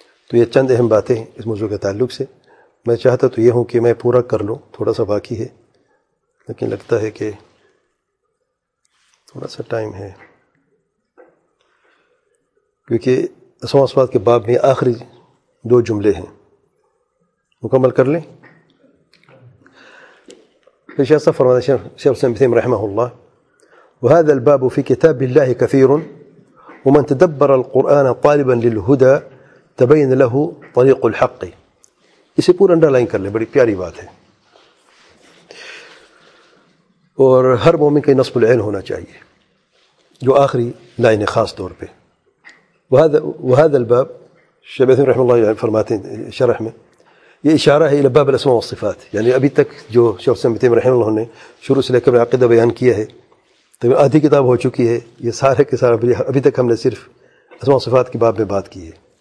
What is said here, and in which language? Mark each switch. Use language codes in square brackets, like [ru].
[ur] تو یہ چند اہم باتیں ہیں اس موضوع کے تعلق سے. میں چاہتا تو یہ ہوں کہ میں پورا کر لوں, تھوڑا سا باقی ہے لیکن لگتا ہے کہ تھوڑا سا ٹائم ہے, کیونکہ اسماء صفات کے باب میں آخری دو جملے ہیں, مکمل کر لیں. شیخ صفر شیخ ابن تیمیہ رحمہ اللہ, [ar] وهذا الباب في كتاب الله كثير ومن تدبر القرآن طالبا للهدى تبين له طريق الحق. [ur] اسے پورا انڈر لائن کر لیں, بڑی پیاری بات ہے. اور ہر مومن کے نصب العین ہونا چاہیے جو آخری لائن ہے خاص طور پہ. وهذا الباب شیخ ابن تیمیہ رحمہ اللہ فرماتے ہیں شرح میں, یہ اشارہ ہے [ar] الى باب الاسماء والصفات, [ur] یعنی ابھی تک جو شیخ ابن تیمیہ رحمہ اللہ نے شروع سے لے کر عقیدہ بیان کیا ہے تو آدھی کتاب ہو چکی ہے, یہ سارے کے سارے ابھی تک ہم نے صرف اسماء صفات کے باب میں بات کی ہے.